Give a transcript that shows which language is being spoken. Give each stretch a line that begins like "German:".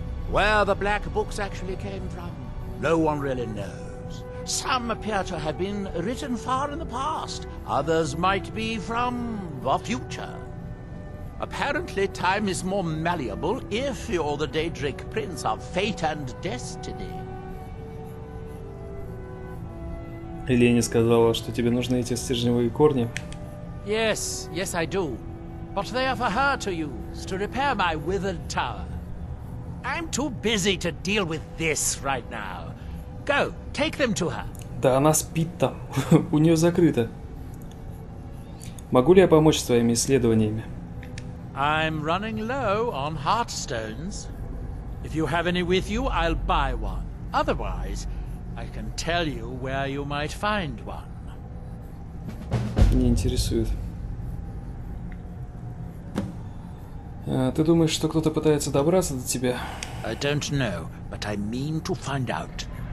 English: Where the black books actually came from, no one really knows. Some appear to have been written far in the past, others might be from the future. Apparently, time is more malleable if you're the Daedric Prince of Fate and Destiny.
Russian: Элени сказала, что тебе нужны эти стержневые корни.
English: Yes, yes, I do. But they are for her to use to repair my withered tower. I'm too busy to deal with this right now. Go, take them to her.
Russian: Да она спит там. У нее закрыто. Могу ли я помочь с твоими исследованиями?
English: I'm running low on heartstones. If you have any with you, I'll buy one. Otherwise, I can tell you where you might find one.
Russian: Не интересует. Ты думаешь, что кто-то пытается добраться до тебя?
English: I don't know, but I mean to find out.